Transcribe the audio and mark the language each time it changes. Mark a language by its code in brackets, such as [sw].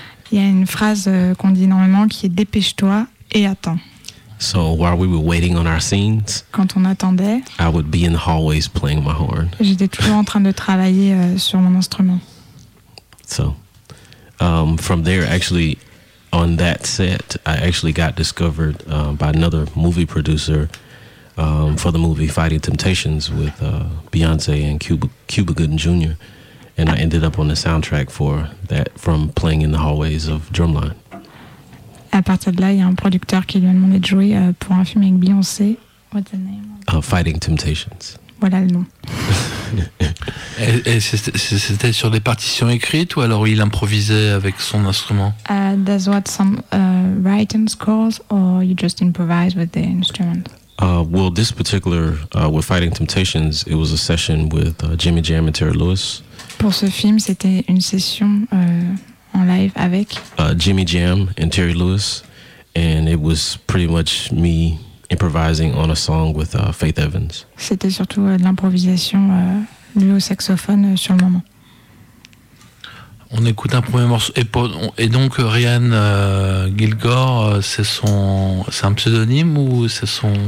[fr] Il y a une phrase qu'on dit normalement qui est dépêche-toi et attends. [en] So while we were waiting on our scenes, [fr] quand on attendait, [en] I would be in the hallways playing my horn. [fr] J'étais toujours en train de travailler sur mon instrument. [en] So, from there, actually, on that set, I actually got discovered by another movie producer for the movie Fighting Temptations with Beyonce and Cuba Gooding Jr. And I ended up on the soundtrack for that from playing in the hallways of Drumline. [fr] À partir de là, il y a un producteur qui lui a demandé de jouer pour un film avec Beyoncé. [en] What's the name? Fighting Temptations. [fr] Voilà le nom. Et c'était sur des partitions écrites ou alors il improvisait avec son instrument? [en] Does what some writing scores or you just improvise with the instrument? Well, this particular with Fighting Temptations, it was a session with Jimmy Jam and Terry Lewis. [fr] Pour ce film, c'était une session. En live avec [en] Jimmy Jam and Terry Lewis, and it was pretty much me improvising on a song with Faith Evans. [fr] C'était surtout de l'improvisation lui au saxophone sur le moment. On écoute un premier morceau et donc Ryan Gilgore, c'est un pseudonyme ou c'est son?